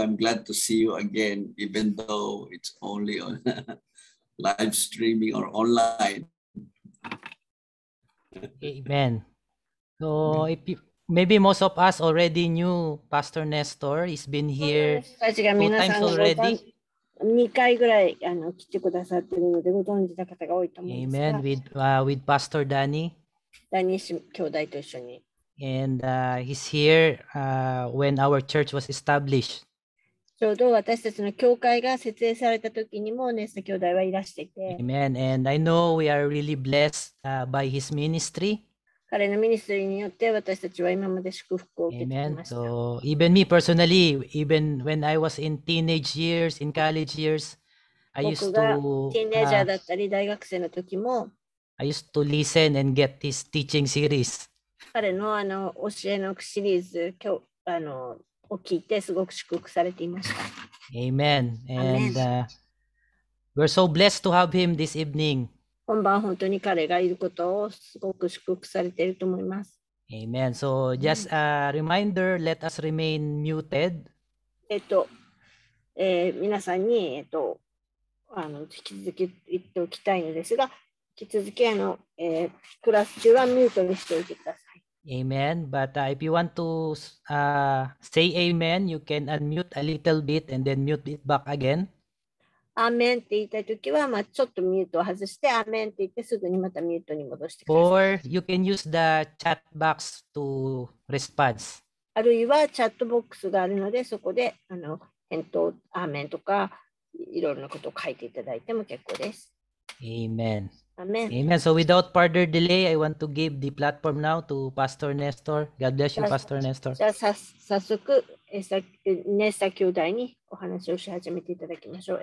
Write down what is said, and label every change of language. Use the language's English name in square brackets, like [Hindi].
[English] I'm glad to see you again, even though it's only on live streaming or online. Amen. So, maybe most of us already knew Pastor Nestor. He's been here two times already. [Japanese] 2回ぐらい来てくださっているのでご存知の方が多いと思います。 [English] Amen. With Pastor Danny. [Japanese] Danny's 兄弟と一緒に。 [English] And he's here when our church was established. [Japanese] ちょうど私たちの教会が設営された時にもネスタ兄弟はいらしていて。 [English] Amen. And I know we are really blessed by his ministry. [Japanese] 彼のミニストリーによって私たちは今まで祝福を受けてきました。 [English] Amen. So even me personally, even when I was in teenage years, in college years, I used to. [Japanese] 僕がティーンエイジャーだったり大学生の時も。 [English] I used to listen and get his teaching series. [Japanese] 彼のあの教えのシリーズ今日あの。を聞いてすごく祝福されていました。 [English] Amen. And we're so blessed to have him this evening. [Japanese] 今晩本当に彼がいることをすごく祝福されていると思います。 [English] Amen. So just a reminder, let us remain muted. [Japanese] 皆さんに引き続き言っておきたいのですが、引き続きクラス中はミュートにしておいてください。 [English] Amen. But if you want to say amen, you can unmute a little bit and then mute it back again. Amen. [Japanese] って言いたいときは、まあちょっとミュートを外して、Amen. って言ってすぐにまたミュートに戻してください。 [English] Or you can use the chat box to respond. [Japanese] あるいはチャットボックスがあるので、そこで返答、Amen. とかいろいろなことを書いていただいても結構です。 [English] Amen. Amen. Amen. So without further delay, I want to give the platform now to Pastor Nestor. God bless you, Pastor Nestor. [Japanese] じゃあ早速、ネスタ兄弟にお話をし始めていただきましょう。